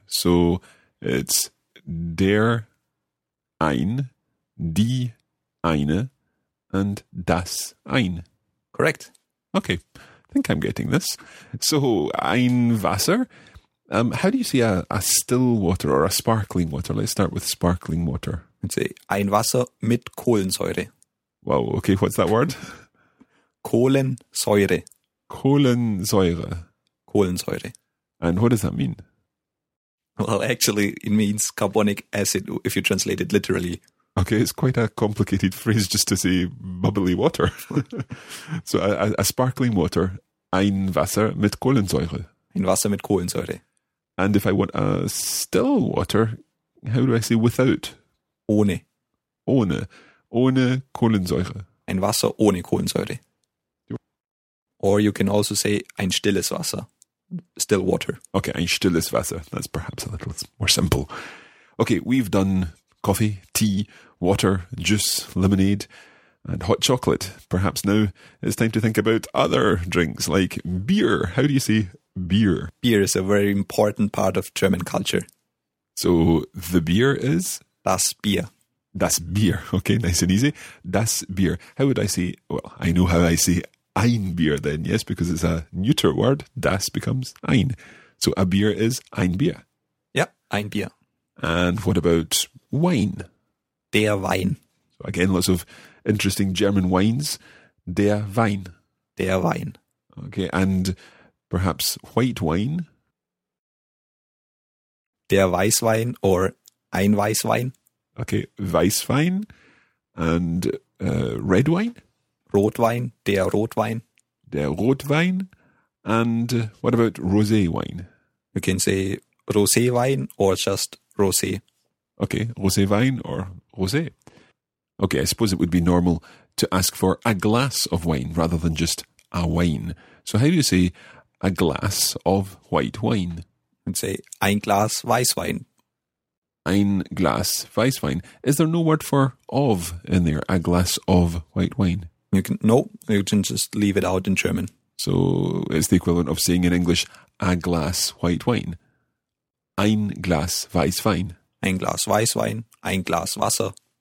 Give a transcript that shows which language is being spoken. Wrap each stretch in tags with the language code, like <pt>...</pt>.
<en>So it's</en> <de>der ein, die eine, and das ein.</de> <en>Correct. Okay, I think I'm getting this. So</en> <de>ein Wasser.</de> <en>How do you say a still water or a sparkling water? Let's start with sparkling water. I'd say</en> <de>ein Wasser mit Kohlensäure.</de> <en>Wow, okay, what's that word?</en> <de>Kohlensäure. Kohlensäure. Kohlensäure.</de> <en>And what does that mean? Well, actually, it means carbonic acid, if you translate it literally. Okay, it's quite a complicated phrase just to say bubbly water. So a sparkling water,</en> <de>ein Wasser mit Kohlensäure. Ein Wasser mit Kohlensäure.</de> <en>And if I want a still water, how do I say without?</en> <de>Ohne. Ohne. Ohne Kohlensäure. Ein Wasser ohne Kohlensäure.</de> <en>Or you can also say</en> <de>ein stilles Wasser.</de> <en>Still water.</en> <de>Okay, ein stilles Wasser.</de> <en>That's perhaps a little more simple. Okay, we've done coffee, tea, water, juice, lemonade, and hot chocolate. Perhaps now it's time to think about other drinks like beer. How do you say beer? Beer is a very important part of German culture. So the beer is?</en> <de>Das Bier. Das Bier.</de> <en>Okay, nice and easy.</en> <de>Das Bier.</de> <en>How would I say, well, I know how I say</en> <de>ein Bier</de> <en>then, yes, because it's a neuter word. Das becomes ein. So a beer is</en> <de>ein Bier. Yeah, ein Bier.</de> <en>And what about wine?</en> <de>Der Wein.</de> <en>So again, lots of interesting German wines.</en> <de>Der Wein. Der Wein.</de> <en>Okay, and perhaps white wine?</en> <de>Der Weißwein or ein Weißwein.</de> <en>Okay, Weißwein and red wine?</en> <de>Rotwein, der Rotwein. Der Rotwein.</de> <en>And what about rosé wine? You can say rosé wine or just rosé. Okay, rosé wine or rosé. Okay, I suppose it would be normal to ask for a glass of wine rather than just a wine. So how do you say a glass of white wine? And say</en> <de>ein Glas Weißwein. Ein Glas Weißwein.</de> <en>Is there no word for of in there? A glass of white wine? You can, no, you can just leave it out in German. So it's the equivalent of saying in English, a glass white wine.</en> <de>Ein Glas Weißwein. Ein Glas Weißwein. Ein Glas Wasser.</de>